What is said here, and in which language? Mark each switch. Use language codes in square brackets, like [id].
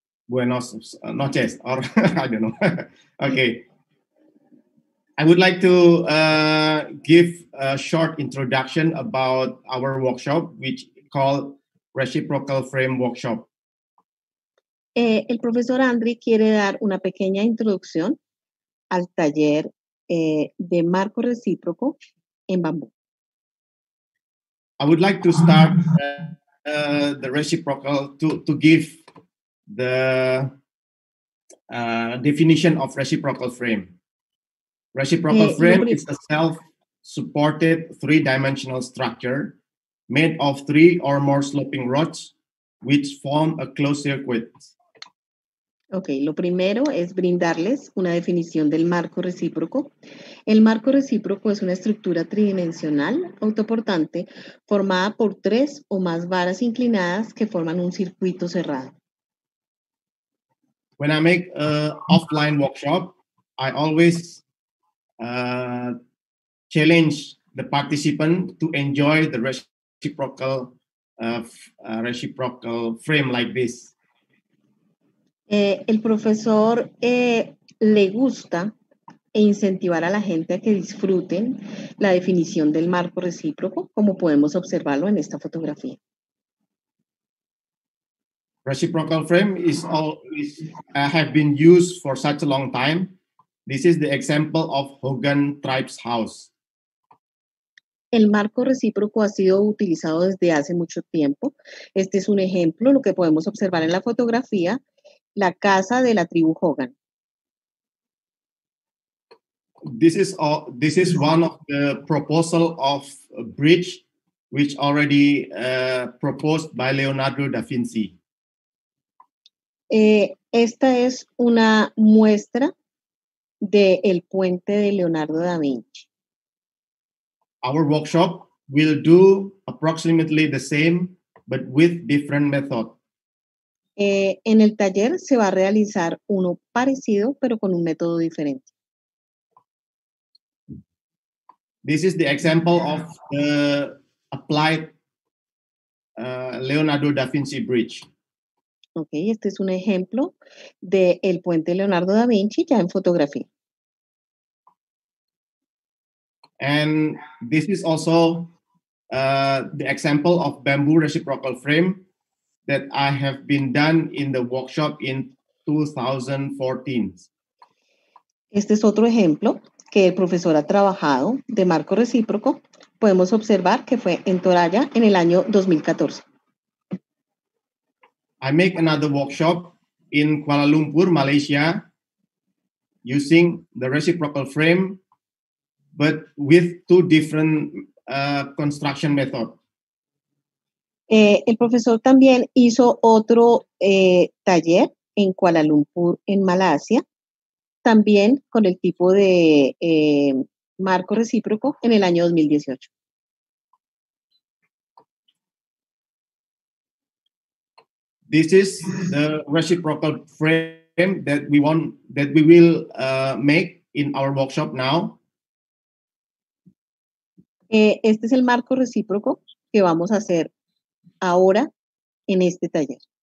[es] Buenos noches, [en] or I don't know. Okay. I would like to give a short introduction about our workshop, which is called Reciprocal Frame Workshop. [es] El profesor Andri quiere dar una pequeña introducción al taller de marco recíproco en bambú. [en] I would like to start the reciprocal to give the definition of reciprocal frame. Reciprocal frame is a self-supported three-dimensional structure made of three or more sloping rods which form a closed circuit. [es] Okay, lo primero es brindarles una definición del marco recíproco. El marco recíproco es una estructura tridimensional autoportante formada por tres o más varas inclinadas que forman un circuito cerrado. [en] When I make an offline workshop, I always challenge the participant to enjoy the reciprocal frame like this. [es] El profesor le gusta e incentivar a la gente a que disfruten la definición del marco recíproco, como podemos observarlo en esta fotografía. [en] Reciprocal frame is always have been used for such a long time. This is the example of Hogan Tribe's house. [es] El marco recíproco ha sido utilizado desde hace mucho tiempo. Este es un ejemplo, lo que podemos observar en la fotografía, la casa de la tribu Hogan. [en] This is one of the proposal of a bridge which already proposed by Leonardo da Vinci. [es] Esta es una muestra del puente de Leonardo da Vinci. [en] Our workshop will do approximately the same, but with different method. [es] En el taller se va a realizar uno parecido, pero con un método diferente. [en] This is the example of the applied Leonardo da Vinci bridge. [es] Okay, este es un ejemplo del puente Leonardo da Vinci ya en fotografía. [en] And this is also the example of bamboo reciprocal frame that I have been done in the workshop in 2014. [es] Este es otro ejemplo que el profesor ha trabajado de marco recíproco. Podemos observar que fue en Toraya en el año 2014. [en] I make another workshop in Kuala Lumpur, Malaysia, using the reciprocal frame, but with two different construction methods. [es] El profesor también hizo otro taller en Kuala Lumpur, en Malasia, también con el tipo de marco recíproco en el año 2018. [en] This is the reciprocal frame that we want, that we will make in our workshop now. [es] Este es el marco recíproco que vamos a hacer ahora en este taller.